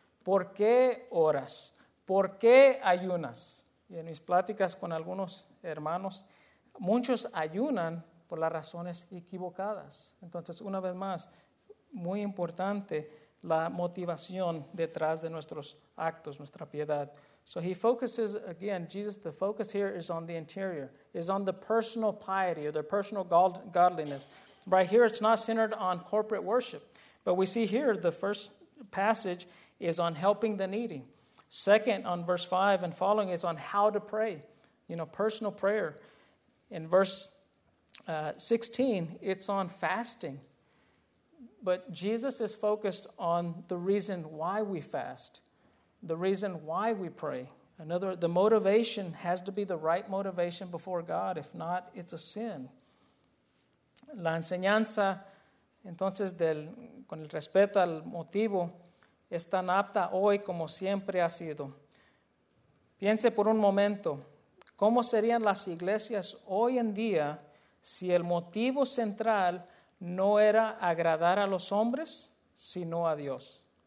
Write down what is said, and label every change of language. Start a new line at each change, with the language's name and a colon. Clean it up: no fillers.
Spanish: ¿Por qué oras? ¿Por qué ayunas? Y en mis pláticas con algunos hermanos, muchos ayunan por las razones equivocadas. Entonces, una vez más, muy importante la motivación detrás de nuestros actos, nuestra piedad.
English: So he focuses again, Jesus, the focus here is on the interior, is on the personal piety or the personal godliness. Right here, it's not centered on corporate worship. But we see here the first passage is on helping the needy. Second, on verse 5 and following, is on how to pray, you know, personal prayer. In verse 16, it's on fasting. But Jesus is focused on the reason why we fast, the reason why we pray. Another, the motivation has to be the right motivation before God. If not, it's a sin.
Spanish: La enseñanza, entonces, del con el respeto al motivo, es tan apta hoy como siempre ha sido. Piense por un momento, ¿cómo serían las iglesias hoy en día si el motivo central no era agradar a los hombres, sino a Dios?